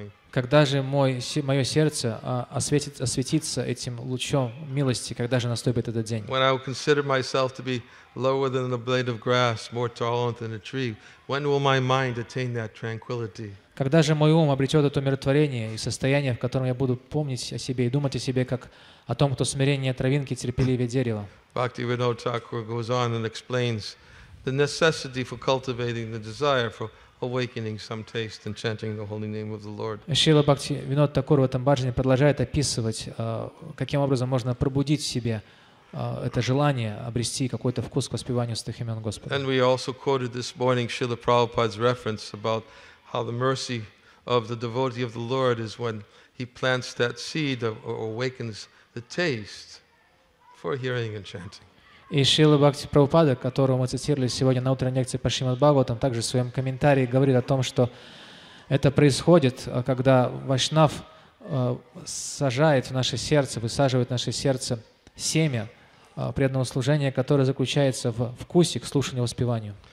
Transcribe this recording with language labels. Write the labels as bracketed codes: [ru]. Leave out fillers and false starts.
[ru] Когда же мое сердце осветится этим лучом милости, когда же наступит этот день? [en] When I will consider myself to be lower than a blade of grass, more tolerant than a tree, when will my mind attain that tranquility? [ru] Когда же мой ум обретет это умиротворение и состояние, в котором я буду помнить о себе и думать о себе, как о том, кто смирение травинки, терпеливее дерева? [en] Bhaktivinoda Thakur goes on and explains the necessity for cultivating the desire for awakening some taste and chanting the holy name of the Lord. [ru] Шрила Бхактивинода Такур в этом баджане продолжает описывать, каким образом можно пробудить в себе это желание обрести какой-то вкус к воспеванию святых имен Господа. [en] And we also quoted this morning Srila Prabhupada's reference about how the mercy of the devotee of the Lord is when he plants that seed or awakens the taste for hearing and chanting. [ru] И Шрила Бхакти Прабхупада, которого мы цитировали сегодня на утренней лекции по Шримад-Бхагаватам, также в своем комментарии говорит о том, что это происходит, когда вайшнав сажает в наше сердце, высаживает в наше сердце семя преданного служения, которое заключается в вкусе к слушанию и воспеванию.